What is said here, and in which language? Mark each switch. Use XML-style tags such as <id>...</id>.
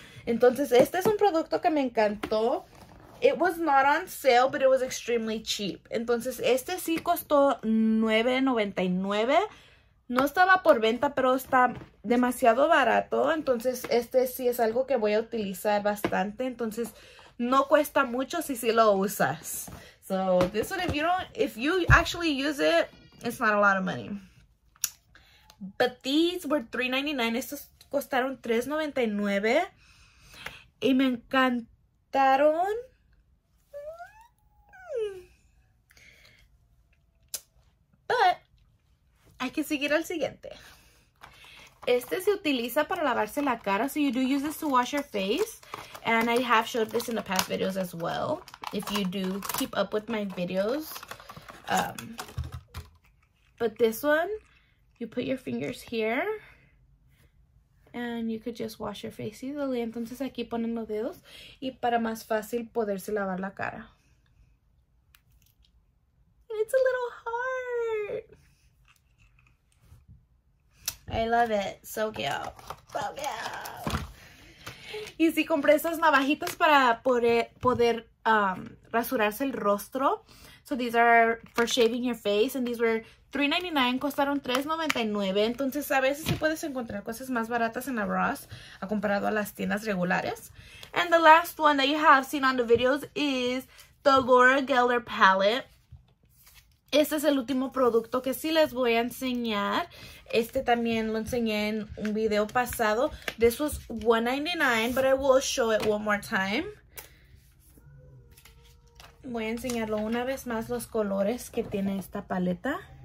<es>Entonces este es un producto que me encantó.</es> <en>It was not on sale, but it was extremely cheap.</en> <es>Entonces este sí costó $9.99. No estaba por venta, pero está demasiado barato. Entonces, este sí es algo que voy a utilizar bastante. Entonces, no cuesta mucho si sí lo usas.</es> <en>So, this one, if you actually use it, it's not a lot of money. But these were $3.99.</en> <es>Estos costaron $3.99. Y me encantaron. Hay que seguir al siguiente. Este se utiliza para lavarse la cara.</es> <en>So you do use this to wash your face. And I have showed this in the past videos as well. If you do keep up with my videos. But this one, you put your fingers here. And you could just wash your face easily.</en> <es>Entonces aquí ponen los dedos. Y para más fácil poderse lavar la cara.</es> <en>And it's a little hard. I love it. So cute. So cute.</en> <es>Y sí, compré esas navajitas para poder rasurarse el rostro.</es> <en>So these are for shaving your face. And these were $3.99.</en> <es>Costaron $3.99. Entonces, a veces sí puedes encontrar cosas más baratas en la Ross a comparado a las tiendas regulares.</es> <en>And the last one that you have seen on the videos is the Laura Geller Palette.</en> <es>Este es el último producto que sí les voy a enseñar. Este también lo enseñé en un video pasado.</es> <en>This was $1.99, but I will show it one more time.</en> <es>Voy a enseñarlo una vez más los colores que tiene esta paleta.</es>